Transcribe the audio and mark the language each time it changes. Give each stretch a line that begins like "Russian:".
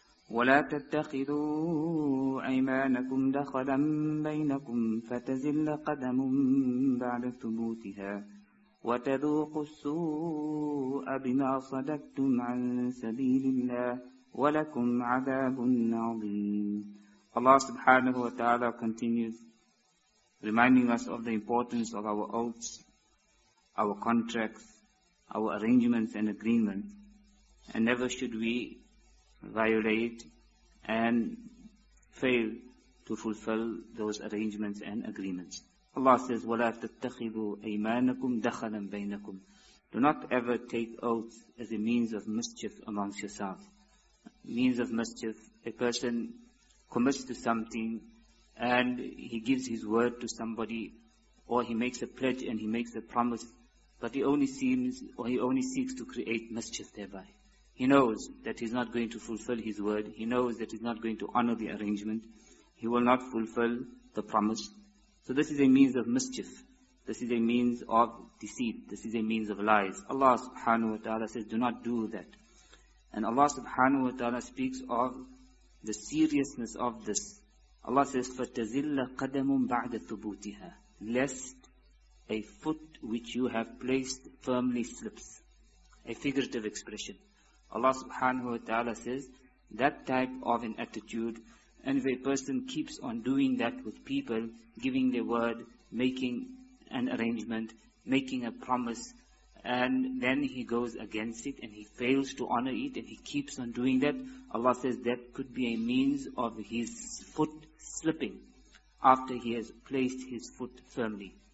Arabic: ولا تتخذوا أيمانكم دخلا بينكم فتزل قدم بعد ثبوتها وتذوقوا السوء بما صددتم عن سبيل الله ولكم عذاب عظيم.
English: Allah subhanahu wa ta'ala continues reminding us of the importance of our oaths, our contracts, our arrangements and agreements, and never should we violate and fail to fulfill those arrangements and agreements. Allah says,
Arabic: وَلَا تَتَّخِذُوا أَيْمَانَكُمْ دَخَلًا بَيْنَكُمْ.
English: Do not ever take oaths as a means of mischief amongst yourself. Means of mischief, a person commits to something and he gives his word to somebody, or he makes a pledge and he makes a promise, but he only seeks to create mischief thereby. He knows that he's not going to fulfill his word. He knows that he's not going to honor the arrangement. He will not fulfill the promise. So this is a means of mischief. This is a means of deceit. This is a means of lies. Allah subhanahu wa ta'ala says, do not do that. And Allah subhanahu wa ta'ala speaks of the seriousness of this. Allah says,
Arabic: فَتَزِلَّ قَدَمٌ بَعْدَ ثُبُوتِهَا.
English: Lest a foot which you have placed firmly slips. A figurative expression. Allah subhanahu wa ta'ala says, that type of an attitude, and if a person keeps on doing that with people, giving their word, making an arrangement, making a promise, and then he goes against it and he fails to honor it and he keeps on doing that, Allah says that could be a means of his foot slipping after he has placed his foot firmly.